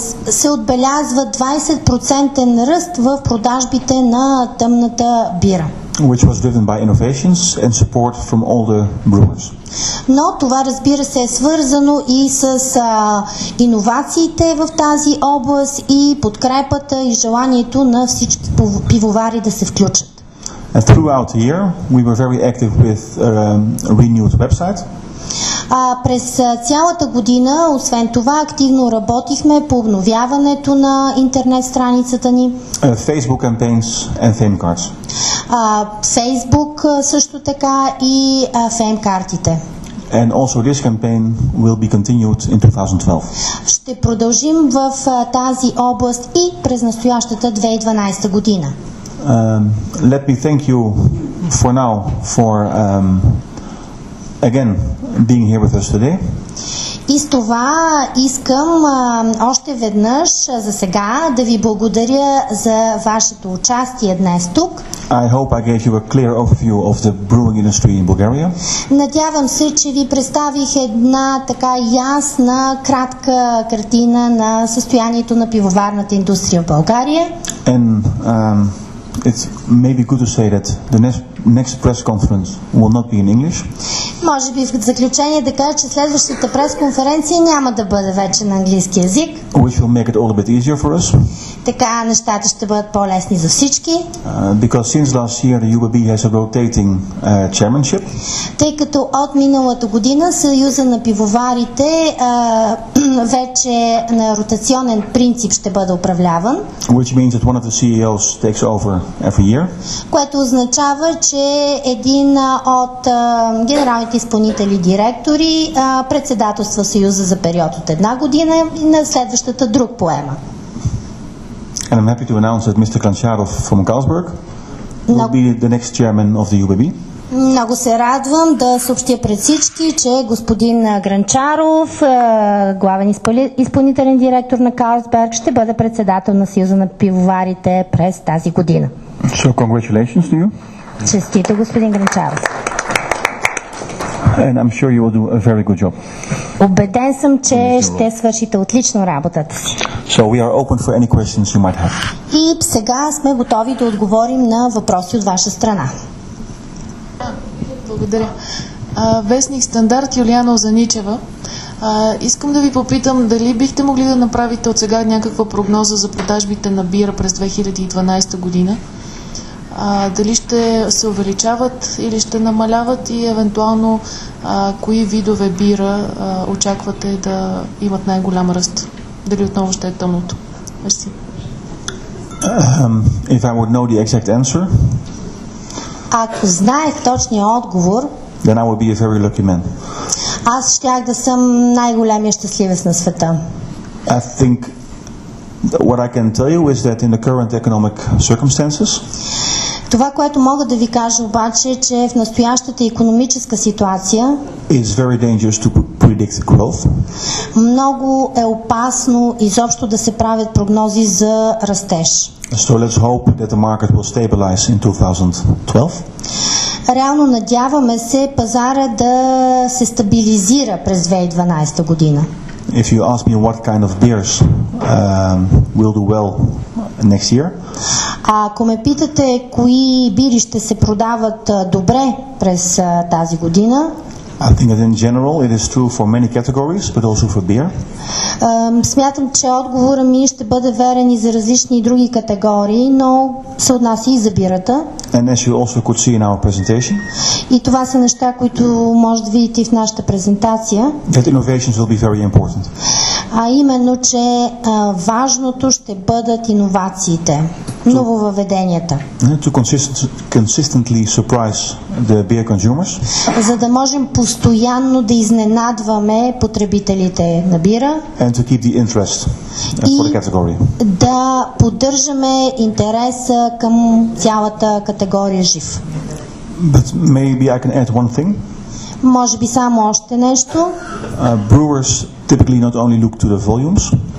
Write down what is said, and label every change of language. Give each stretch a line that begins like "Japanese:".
Bulgarian: Се отбелязва 20% ръст в продажбите на тъмната бира.
English: Which was driven by innovations and support from all the brewers.
Bulgarian: Но това, разбира се, е свързано и с иновациите в тази област и подкрепата и желанието на всички пивовари да се включат.
English: And throughout the year, we were very active with a renewed website.
Bulgarian: През цялата година, освен това, активно работихме по обновяването на интернет страницата ни.
English: Facebook campaigns and fame cards.
Bulgarian: Facebook също така и fame картите.
English: And also this campaign will be continued in 2012.
Bulgarian: Ще продължим в тази област и през настоящата 2012 година.
English: Let me thank you for now for again being here with us today.
Bulgarian: И с това искам още веднъж за сега да ви благодаря за вашето участие днес тук.
English: I hope I gave you a clear overview of the brewing industry in Bulgaria.
Bulgarian: Надявам се, че ви представих една така ясна, кратка картина на състоянието на пивоварната индустрия в България.
English: And it's maybe good to say that the next press conference will not be in English.
Bulgarian: Може би в заключение да кажа, че следващата пресконференция няма да бъде вече на английски език.
English: Which will make it all a bit easier for us.
Bulgarian: Така нещата ще бъдат по-лесни за всички.
English: Because since last year the UBB has a rotating chairmanship.
Bulgarian: Тъй като от миналата година Съюза на пивоварите вече на ротационен принцип ще бъде управляван.
English: Which means that one of the CEOs takes over every year.
Bulgarian: Което означава, че един от генералните изпълнители директори председателства Съюза за период от една година и на следващата друг поема.
English: And I'm happy to announce that Mr. Klancharov from Carlsberg will be the next chairman of the UBB.
Bulgarian: Много се радвам да съобщя пред всички, че господин Гранчаров, главен изпълнителен директор на Carlsberg, ще бъде председател на Съюза на пивоварите през тази година.
English: So congratulations to you.
Bulgarian: Честито, господин Гранчаров.
English: And I'm sure you will do a very good job.
Bulgarian: Убеден съм, че ще свършите отлично работата си.
English: So we are open for any questions you might have.
Bulgarian: И сега сме готови да отговорим на въпроси от ваша страна. Благодаря. Вестник Стандарт, Юлиана Озаничева. Искам да ви попитам, дали бихте могли да направите от сега някаква прогноза за продажбите на бира през 2012 година? Дали ще се увеличават или ще намаляват и евентуално кои видове бира очаквате да имат най-голям ръст? Дали отново ще е тъмното? Мерси.
English: If I would know the exact answer,
Bulgarian: ако знаех точния отговор,
English: then I would be a very lucky man.
Bulgarian: Аз щях да съм най-големия щастливец на света.
English: I think what I can tell you is that in the current economic circumstances,
Bulgarian: това, което мога да ви кажа обаче, че в настоящата икономическа ситуация
English: is very dangerous to predict growth.
Bulgarian: Много е опасно изобщо да се правят прогнози за растеж.
English: So let's hope that the market will stabilize in 2012.
Bulgarian: Реално надяваме се пазара да се стабилизира през 2012 година.
English: If you ask me what kind of beers will do well next year,
Bulgarian: ако ме питате кои бири ще се продават добре през тази година,
English: I think that in general it is true for many categories, but also for beer.
Bulgarian: Смятам, че отговора ми ще бъде верен и за различни други категории, но се отнася и за бирата.
English: And as you also could see in our presentation,
Bulgarian: и това са неща, които може да видите в нашата презентация,
English: that innovations will be very important.
Bulgarian: А именно, че важното ще бъдат иновациите, нововъведенията.
English: To consistently surprise the beer consumers.
Bulgarian: За да можем постоянно да изненадваме потребителите на бира.
English: And to keep the interest for the category.
Bulgarian: Да поддържаме интереса към цялата категория жив.
English: But maybe I can add one thing.
Bulgarian: Може би само още нещо.
English: Brewers typically not only look to the volumes.